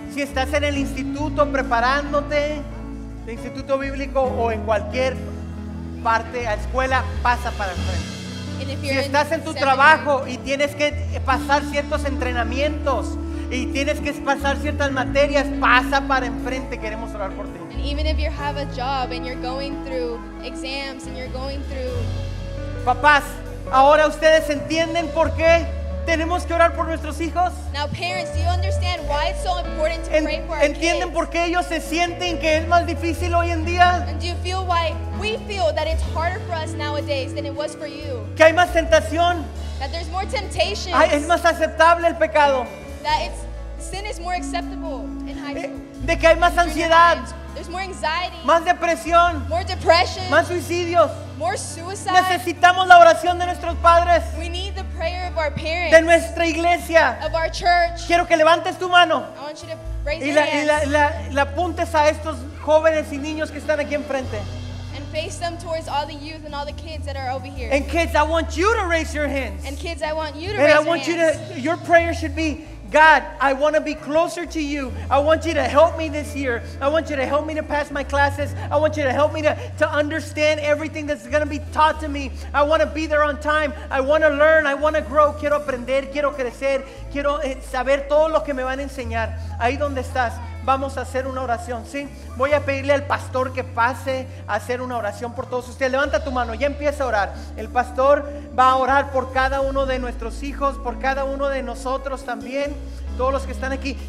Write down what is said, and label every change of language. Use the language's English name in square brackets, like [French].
[Spanish] Si estás en el instituto preparándote, el instituto bíblico o en cualquier parte a escuela, pasa para el frente. Si estás en tu trabajo y tienes que pasar ciertos entrenamientos y tienes que pasar ciertas materias, pasa para enfrente, queremos orar por ti. [English] And even if you have a job and you're going through exams and you're going through... [Spanish] Papás, ahora ustedes entienden por qué tenemos que orar por nuestros hijos. [English] Now parents, do you understand why it's so important to pray for our [Spanish] ¿entienden [English] kids? [Spanish] Por qué ellos se sienten que es más difícil hoy en día? [English] And do you feel why we feel that it's harder for us nowadays than it was for you? [Spanish] Que hay más tentación. [English] That there's more temptations. [Spanish] Ay, es más aceptable el pecado. [English] That it's, sin is more acceptable in high school. [Spanish] De que hay más ansiedad. [English] There's more anxiety. [Spanish] Más depresión. [English] More depression. [Spanish] Más suicidios. [English] More suicide. [Spanish] Necesitamos la oración de nuestros padres. [English] We need the prayer of our parents. [Spanish] De nuestra iglesia. [English] Of our church. [Spanish] Quiero que levantes tu mano. [English] I want you to raise your hands. Y la apuntes a estos jóvenes y niños que están aquí enfrente. And face them towards all the youth and all the kids that are over here. And kids, I want you to raise your hands. And kids, I want you to your hands. And I want you to, your prayer should be, God, I want to be closer to you. I want you to help me this year. I want you to help me to pass my classes. I want you to help me to understand everything that's going to be taught to me. I want to be there on time. I want to learn. I want to grow. [Spanish] Quiero aprender. Quiero crecer. Quiero saber todo lo que me van a enseñar. Ahí donde estás, vamos a hacer una oración, ¿sí? Voy a pedirle al pastor que pase a hacer una oración por todos ustedes. Levanta tu mano, ya empieza a orar. El pastor va a orar por cada uno de nuestros hijos, por cada uno de nosotros también, todos los que están aquí.